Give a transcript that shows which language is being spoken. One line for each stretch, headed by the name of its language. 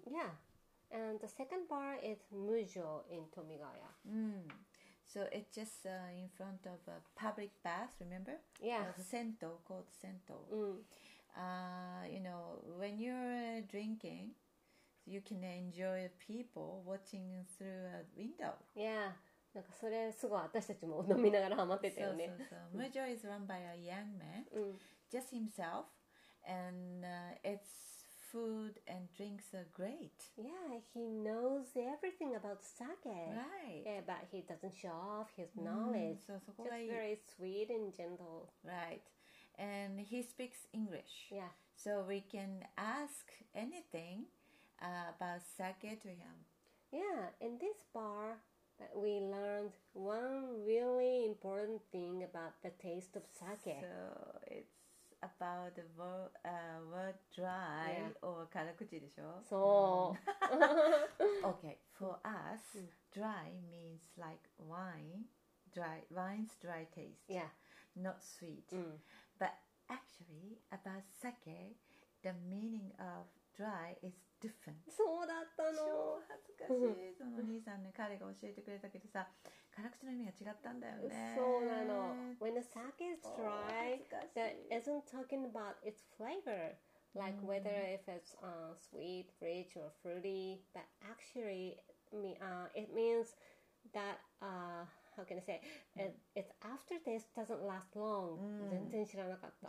English: Yeah. And the second bar is Mujo in Tomigaya. So it's just in front of a public bath, remember? Yeah. Sento, called Sento. You know, when you're drinking, you can enjoy people watching through a window. Yeah.
Japanese: なんかそれすごい私たちも飲みながらハマってたよね。そうそうそう。
English: Mujo is run by a young man, just himself, and it's food and drinks are great. Yeah, he knows everything about sake. Right. Yeah, but he doesn't show off his knowledge. So,
Japanese: そこがいい。
English: Just very sweet and gentle. Right. And he speaks English. Yeah. So we can ask anything about sake to him. Yeah, in this bar, we learned one really important thing about the taste of sake. So it's about the word dry or karakuchi,
Japanese: de shou?
English: So. Okay, for us, dry means like wine. Wine's dry taste. Yeah. Not sweet. But actually, about sake, the meaning of dry is different.
Japanese: そうだったの。超恥ずかしい。そのお兄さんね、彼が教えてくれたけどさ、辛口の意味が違ったんだよね。そうなの。
English: When the sake is dry, that isn't talking about its flavor, like whether if it's sweet, rich, or fruity. But actually, it means that how can I say? Its aftertaste doesn't last long.
Japanese: 全然知らなかった。